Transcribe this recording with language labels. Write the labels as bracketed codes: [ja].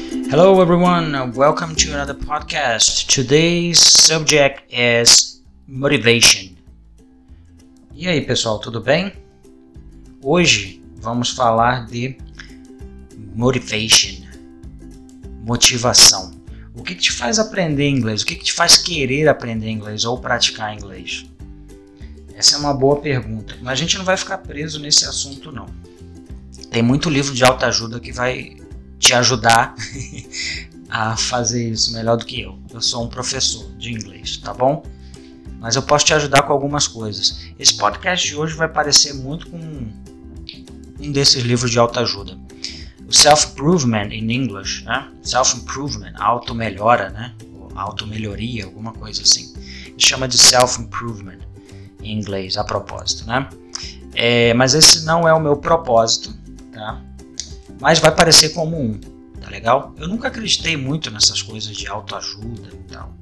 [en] Hello everyone, welcome to another podcast. Today's subject is motivation. [pt] E aí pessoal, tudo bem? Hoje vamos falar de motivation, motivação. O que te faz aprender inglês? O que te faz querer aprender inglês ou praticar inglês? Essa é uma boa pergunta, mas a gente não vai ficar preso nesse assunto não. Tem muito livro de autoajuda que vai te ajudar a fazer isso melhor do que eu. Eu sou um professor de inglês, tá bom? Mas eu posso te ajudar com algumas coisas. Esse podcast de hoje vai parecer muito com um desses livros de autoajuda. O Self-Improvement in English, né? Self-Improvement, auto-melhora, né? Auto-melhoria, alguma coisa assim. Chama de Self-Improvement em inglês, a propósito, né? Mas esse não é o meu propósito, tá? Mas vai parecer comum, tá legal? Eu nunca acreditei muito nessas coisas de autoajuda e tal.